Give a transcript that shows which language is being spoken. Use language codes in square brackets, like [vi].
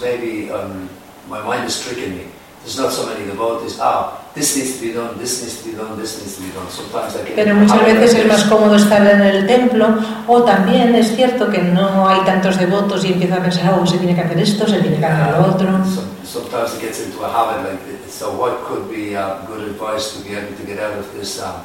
[en] Maybe my mind is tricking me. There's not so many devotees. Ah, this needs to be done. This needs to be done. This needs to be done. Sometimes I can. [es] Pero muchas veces es más cómodo estar en el templo. O también es cierto que no hay tantos devotos y empiezo a pensar, oh, se tiene que hacer esto, se tiene que hacer lo otro. [en] Sometimes it gets into a habit like this. So what could be good advice to be able to get out of this?